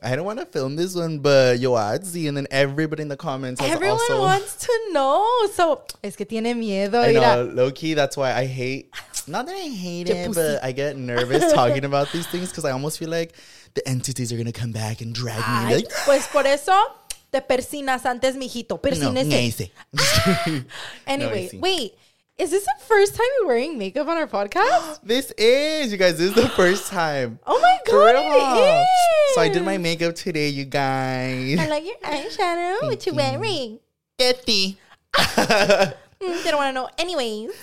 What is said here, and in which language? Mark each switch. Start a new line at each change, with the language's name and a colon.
English: I don't want to film this one, but Yuatsi and then everybody in the comments Everyone wants to know. So,
Spanish: es que tiene miedo.
English: I know, low-key, that's why I hate, not that I hate it, but I get nervous talking about these things because I almost feel like the entities are going to come back and drag me. Like,
Spanish: pues por eso, te persinas antes, mijito. Persinese.
English: No, ah! Anyway, no, wait. Is this the first time you're wearing makeup on our podcast? This is, you guys. This is the first time. Oh, my God. It is. So I did my makeup today, you guys. I like your eyeshadow. What you wearing? Getty. They don't want to know. Anyways.